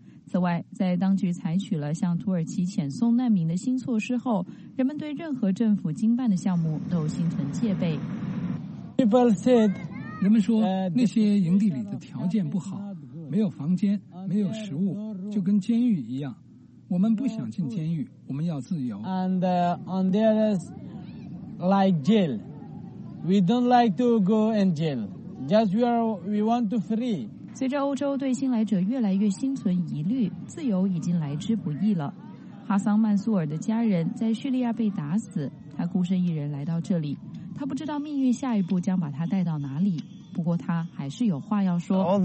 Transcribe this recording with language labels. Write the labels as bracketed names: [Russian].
[Chinese] 此外，在当局采取了向土耳其遣送难民的新措施后，人们对任何政府经办的项目都心存戒备。人们说那些营地里的条件不好，没有房间，没有食物，就跟监狱一样。我们不想进监狱，我们要自由。 [English] And on the others like jail, we don't like to go in jail. Just we want to free. [Chinese] 随着欧洲对新来者越来越心存疑虑，自由已经来之不易了。哈桑曼苏尔的家人在叙利亚被打死，他孤身一人来到这里，他不知道命运下一步将把他带到哪里，不过他还是有话要说。